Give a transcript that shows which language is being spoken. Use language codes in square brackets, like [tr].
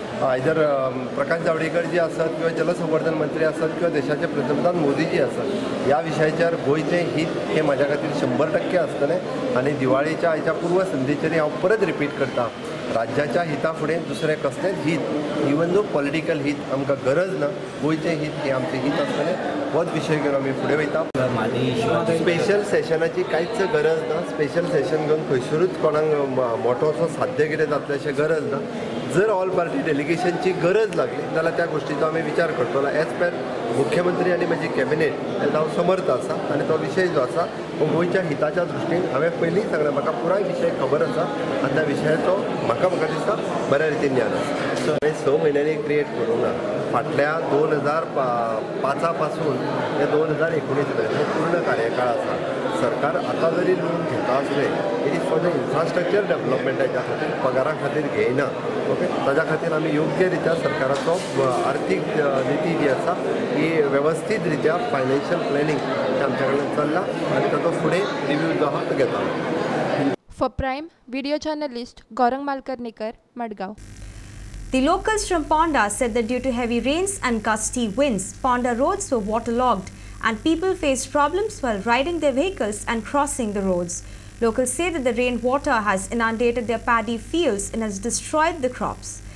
[gom] Either Prakash Javadekar जी आसत किंवा जलसंवर्धन मंत्री आसत किंवा देशाचे पंतप्रधान मोदी जी आसत ह्या विशयाचेर गोंयचे हीत हे म्हाज्या खातीर 100% आसतले. आनी दिवाळेच्या आयच्या पूर्वसंधेचेरी हांव परत रिपीट करतां राज्याच्या हिता फुडें दुसरें कसलेंच हीत इवन दो पॉलिटिकल हीत आमकां गरज ना. गोंयचें हीत हें आमचें हीत आसतलें. होच विशय घेवन आमी फुडें वयता. स्पेशल सेशनाची कांयच गरज ना. स्पेशल सेशन घेवन खंयसरूच कोणाक मोठो असो साध्य कितें जातलें अशें गरज ना. जर ऑल पार्टी डेलिगेशनची गरज लागली जाल्यार त्या गोश्टीचो आमी विचार करतलो एज पर मुख्यमंत्री आनी म्हजी कॅबिनेट तेचो हांव समर्थ आसा. आनी तो विशय जो आसा तो गोंयच्या हिताच्या दृश्टीन हांवें पयलींच सांगलां म्हाका पुराय विशय खबर आसा आनी त्या विशयाचो म्हाका दिसता बऱ्या रितीन ज्ञान आसा. हांवें 6 महिन्यांनी क्रिएट करूंक ना. फाटल्या 2005 पासून ते 2019 पर्यंत पूर्ण कार्यकाळ आसा. सरकार आतां जरी लोन घेता आसलें तरी सो इन्फ्रास्ट्रक्चर डॅवलपमेंटाच्या खातीर पगारा खातीर घेयना. ओके, ताज्या खातीर आमी योग्य रित्या सरकाराचो आर्थीक निती जी आसा ती वेवस्थीत रित्या फायनान्शियल प्लॅनिंग आमच्या कडेन चल्ला आनी ताचो फुडें रिव्यू जो आसा तो घेतलो. [en] For prime video journalist Gaurang Malkarnikar Madgaon. The locals from Ponda said that due to heavy rains and gusty winds, Ponda roads were waterlogged and people faced problems while riding their vehicles and crossing the roads. Locals say that the rainwater has inundated their paddy fields and has destroyed the crops.